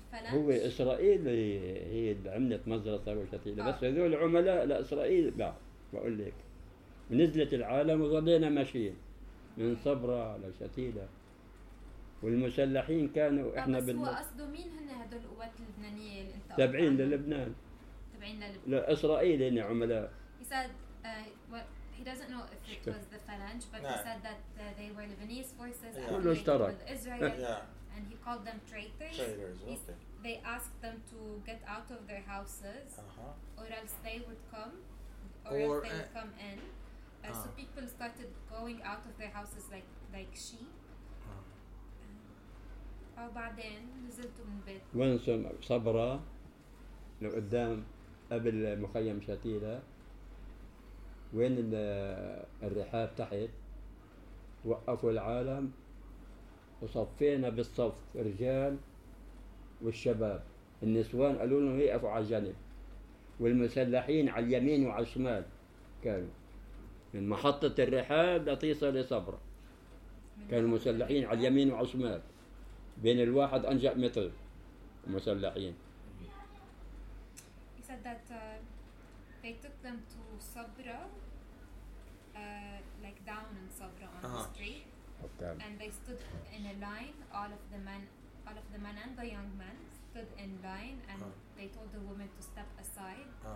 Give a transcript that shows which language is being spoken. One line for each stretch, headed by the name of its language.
Arabic: هو إسرائيل هي عملت مزرعة وشتيلة. بس هذول عملاء لإسرائيل بقى. بقول لك. نزلت العالم وظلينا ماشيين من صبرة لشتيلة. والمسلحين كانوا احنا بالنسبه. بس قصده مين هن هدول القوات اللبنانيه اللي انت تابعين للبنان؟ تابعين للبنان. لا اسرائيل هن عملاء.
English: He said he doesn't know if it was the Falange, but he said that they were Lebanese forces and with Israel. And he called them traitors. They asked them to get out of their houses or else they would come or else they would come in. So people started going out of their houses like sheep.
Arabic: وبعدين نزلتوا من بيت وين صبرا لو قدام قبل مخيم شتيلة وين الرحاب تحت وقفوا العالم وصفينا بالصف رجال والشباب النسوان قالوا لهم يقفوا على الجنب والمسلحين على اليمين وعلى الشمال كانوا من محطة الرحاب لطيصة لصبرا كانوا مسلحين على اليمين وعلى الشمال بين الواحد أنجا متر مسلحين.
English: He said that they took them to Sabra, like down in Sabra on the street, and they stood in a line. All of the men and the young men stood in line, and they told the women to step aside.